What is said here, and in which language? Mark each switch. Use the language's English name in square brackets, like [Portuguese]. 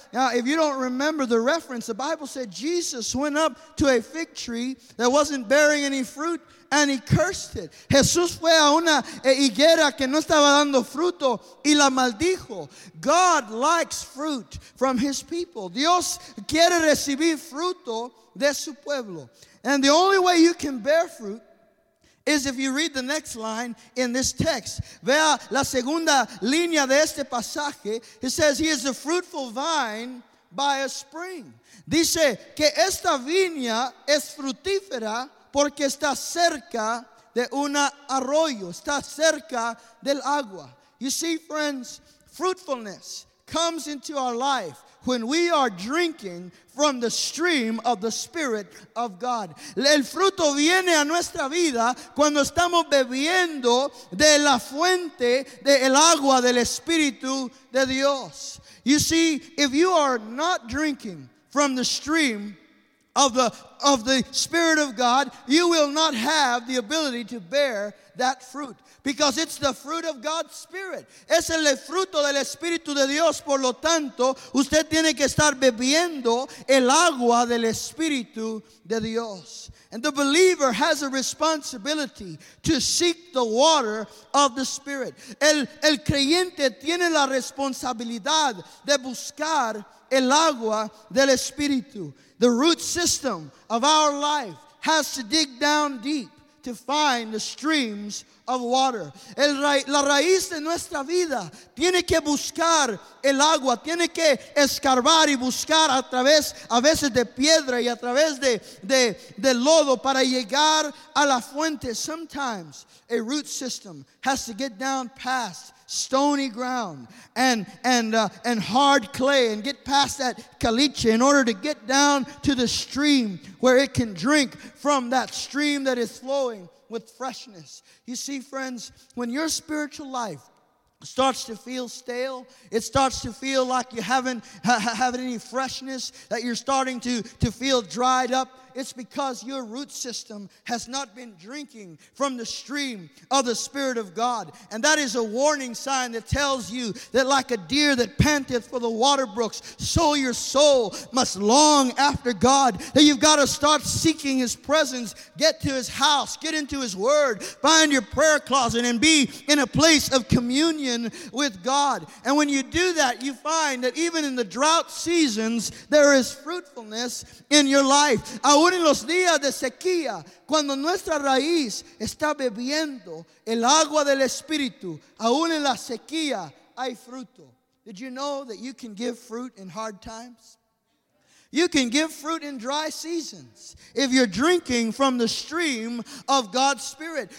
[English] Now, if you don't remember the reference, the Bible said Jesus went up to a fig tree that wasn't bearing any fruit. And he cursed it. [Spanish] Jesús fue a una higuera que no estaba dando fruto y la maldijo. [English] God likes fruit from his people. [Spanish] Dios quiere recibir fruto de su pueblo. [English] And the only way you can bear fruit is if you read the next line in this text. [Spanish] Vea la segunda línea de este pasaje. [English] It says he is a fruitful vine by a spring. [Spanish] Dice que esta viña es frutífera porque está cerca de un arroyo, está cerca del agua. [English] You see, friends, fruitfulness comes into our life when we are drinking from the stream of the Spirit of God. [Spanish] El fruto viene a nuestra vida cuando estamos bebiendo de la fuente del agua del Espíritu de Dios. [English] You see, if you are not drinking from the stream of the of the Spirit of God, you will not have the ability to bear that fruit. Because it's the fruit of God's Spirit. [Spanish] Es el fruto del Espíritu de Dios. Por lo tanto, usted tiene que estar bebiendo el agua del Espíritu de Dios. [English] And the believer has a responsibility to seek the water of the Spirit. [Spanish] El creyente tiene la responsabilidad de buscar el agua del Espíritu. [English] The root system of our life has to dig down deep to find the streams of water. [Spanish] La raíz de nuestra vida tiene que buscar el agua, tiene que escarbar y buscar a través, a veces de piedra y a través de lodo para llegar a la fuente. [English] Sometimes a root system has to get down past stony ground and hard clay and get past that caliche in order to get down to the stream where it can drink from that stream that is flowing with freshness. You see, friends, when your spiritual life starts to feel stale, it starts to feel like you haven't have any freshness, that you're starting to feel dried up, it's because your root system has not been drinking from the stream of the Spirit of God. And that is a warning sign that tells you that like a deer that panteth for the water brooks, so your soul must long after God. That you've got to start seeking His presence. Get to His house. Get into His Word. Find your prayer closet and be in a place of communion with God. And when you do that, you find that even in the drought seasons, there is fruitfulness in your life. [Spanish] Aún en los días de sequía, cuando nuestra raíz está bebiendo el agua del Espíritu, aún en la sequía hay fruto. [English] Did you know that you can give fruit in hard times? You can give fruit in dry seasons if you're drinking from the stream of God's Spirit.